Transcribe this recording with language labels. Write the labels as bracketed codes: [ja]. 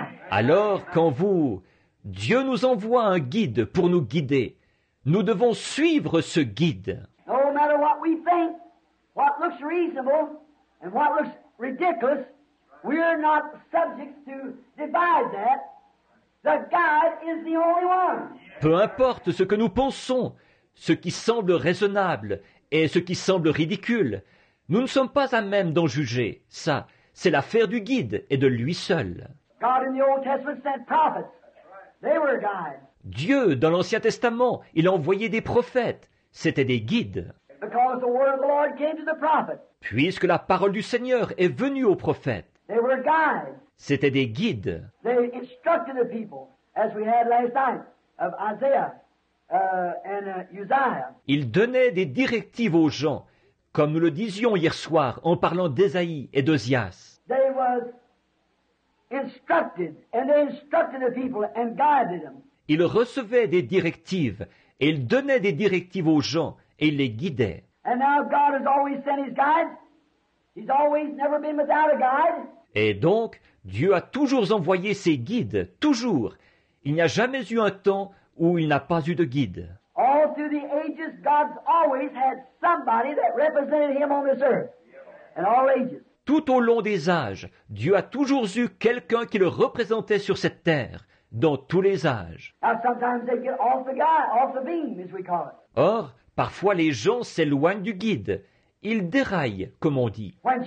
[fr] Alors, quand vous, Dieu nous envoie un guide pour nous guider, nous devons suivre ce guide. [en] No matter what we think, what looks reasonable and what looks ridiculous, we are not subject to divide that. The guide is the only one. [fr] Peu importe ce que nous pensons, ce qui semble raisonnable et ce qui semble ridicule, nous ne sommes pas à même d'en juger. Ça, c'est l'affaire du guide et de lui seul. [en] God in the Old Testament sent prophets. They were guides. [fr] Dieu, dans l'Ancien Testament, il a envoyé des prophètes. C'était des guides. [en] Because the word of the Lord came to the prophets. [fr] Puisque la parole du Seigneur est venue aux prophètes, [en] they were guides. [fr] C'était des guides. [en] They instructed the people, as we had last night, of Isaiah and Uzziah. [fr] Ils donnaient des directives aux gens, comme nous le disions hier soir en parlant d'Ésaïe et d'Ozias. [en] They was instructed, and they instructed the people and guided them. [fr] Ils recevaient des directives, et ils donnaient des directives aux gens, et ils les guidaient. [en] And now God has always sent his guide. He's always never been without a guide. [fr] Et donc, Dieu a toujours envoyé ses guides, toujours. Il n'y a jamais eu un temps où il n'a pas eu de guide. [en] All through the ages, God's always had somebody that represented him on this earth. In all ages. [fr] Tout au long des âges, Dieu a toujours eu quelqu'un qui le représentait sur cette terre, dans tous les âges. [en] Now sometimes they get off the guide, off the beam, as we call it. [fr] Or, parfois les gens s'éloignent du guide. Ils déraillent, comme on dit.